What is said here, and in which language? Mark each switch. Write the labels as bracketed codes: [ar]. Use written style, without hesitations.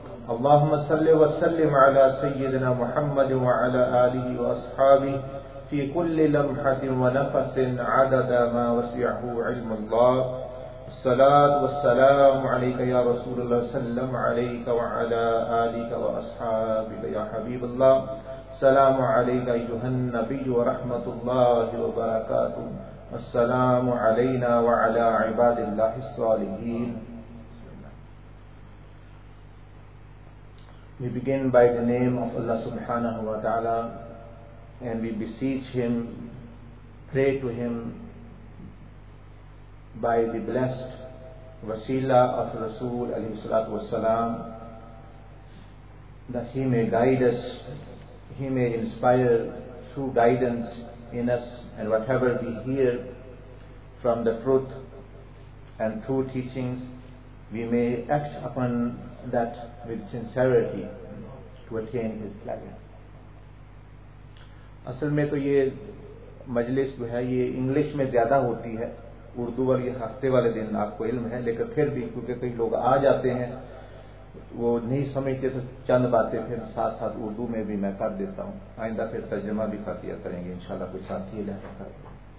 [ar] اللهم صل وسلم على سيدنا محمد وعلى آله وأصحابه في كل لمحة ونفس عدد ما وسعه علم الله الصلاة والسلام عليك يا رسول الله سلم عليك وعلى آلك وأصحابك يا حبيب الله السلام عليك أيها النبي ورحمة الله وبركاته السلام علينا وعلى عباد الله الصالحين. [en] We begin by the name of Allah subhanahu wa ta'ala, and we beseech Him, pray to Him by the blessed wasila of Rasul alayhi salatu wasalam, that He may guide us, He may inspire true guidance in us, and whatever we hear from the truth and true teachings, we may act upon that with sincerity to attain His pleasure. [ur] اصل میں تو یہ مجلس جو ہے یہ English میں زیادہ ہوتی ہے، اردو والی ہفتے والے دن آپ کو علم ہے، لیکن پھر بھی کیونکہ کئی لوگ آ جاتے ہیں وہ نہیں سمجھتے، چند باتیں پھر ساتھ ساتھ اردو میں بھی میں کر دیتا ہوں، آئندہ پھر ترجمہ بھی کر دیا کریں گے انشاءاللہ کوئی ساتھی لے کر۔